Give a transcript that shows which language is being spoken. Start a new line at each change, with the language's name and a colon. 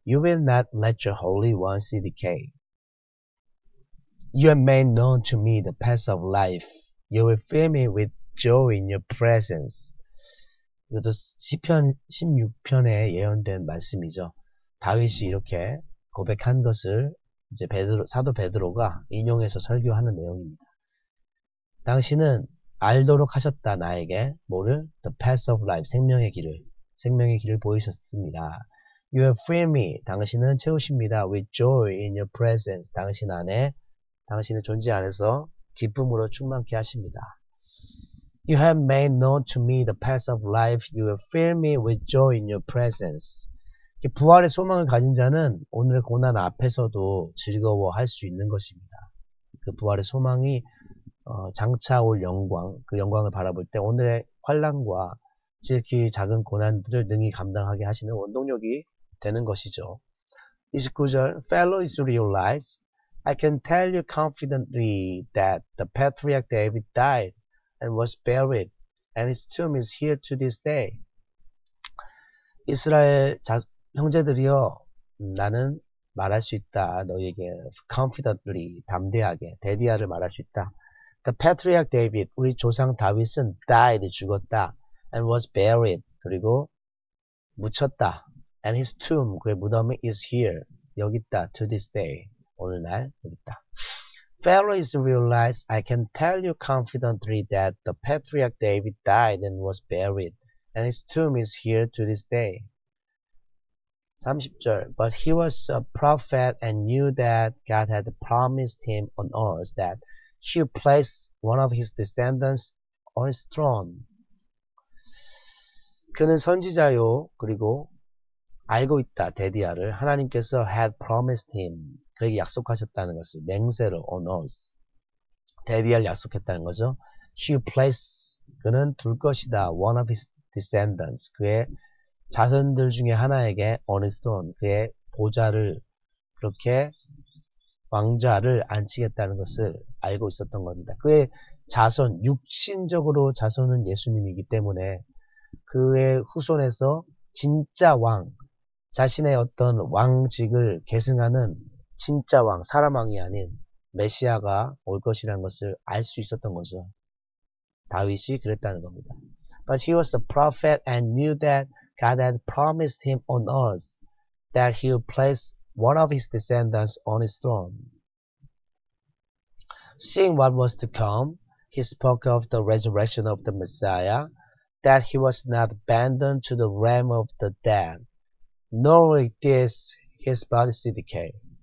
English: You will not let your Holy One CDK. You have made known to me the path of life. You will fill me with joy in your presence.
Korean: 이것도 시편 16편에 예언된 말씀이죠. 다윗이 이렇게 고백한 것을 이제 사도 베드로가 인용해서 설교하는 내용입니다. 당신은 알도록 하셨다 나에게 뭐를?
English: The path of life,
Korean: 생명의 길을 보이셨습니다.
English: You have filled me,
Korean: 당신은 채우십니다.
English: With joy in your presence,
Korean: 당신 안에, 당신의 존재 안에서 기쁨으로 충만케 하십니다.
English: You have made known to me the path of life. You will fill me with joy in your presence.
Korean: 이렇게 부활의 소망을 가진 자는 오늘의 고난 앞에서도 즐거워할 수 있는 것입니다. 그 부활의 소망이 장차 올 영광, 그 영광을 바라볼 때 오늘의 환난과 지극히 작은 고난들을 능히 감당하게 하시는 원동력이 되는 것이죠.
English: 29절, Fellow Israelites, realize, I can tell you confidently that the patriarch David died and was buried, and his tomb is here to this day.
Korean: 이스라엘 형제들이여, 나는 말할 수 있다. 너에게
English: confidently,
Korean: 담대하게, 데디아를 말할 수 있다.
English: The patriarch David,
Korean: 우리 조상 다윗은
English: died,
Korean: 죽었다.
English: And was buried,
Korean: 그리고 묻혔다.
English: And his tomb,
Korean: 그의 무덤이
English: is here,
Korean: 여기 있다.
English: To this day,
Korean: 오늘날 여기 있다.
English: Fellow Israelites, I can tell you confidently that the patriarch David died and was buried, and his tomb is here to this day. 30절, But he was a prophet and knew that God had promised him on earth that he would place one of his descendants on his throne.
Korean: 그는 선지자요, 그리고 알고 있다, 데디아를. 하나님께서
English: had promised him.
Korean: 그에게 약속하셨다는 것을 맹세로
English: on earth
Korean: 데디아를 약속했다는 거죠.
English: He place
Korean: 그는 둘 것이다.
English: One of his descendants
Korean: 그의 자손들 중에 하나에게
English: on his throne
Korean: 그의 보좌를 그렇게 왕좌를 앉히겠다는 것을 알고 있었던 겁니다. 그의 자손 육신적으로 자손은 예수님이기 때문에 그의 후손에서 진짜 왕 자신의 어떤 왕직을 계승하는 진짜 왕, 사람 왕이 아닌 메시아가 올 것이라는 것을 알 수 있었던 거죠. 다윗이 그랬다는 겁니다.
English: But he was a prophet and knew that God had promised him on earth that he would place one of his descendants on his throne. Seeing what was to come, he spoke of the resurrection of the Messiah, that he was not abandoned to the realm of the dead, nor did his body see decay.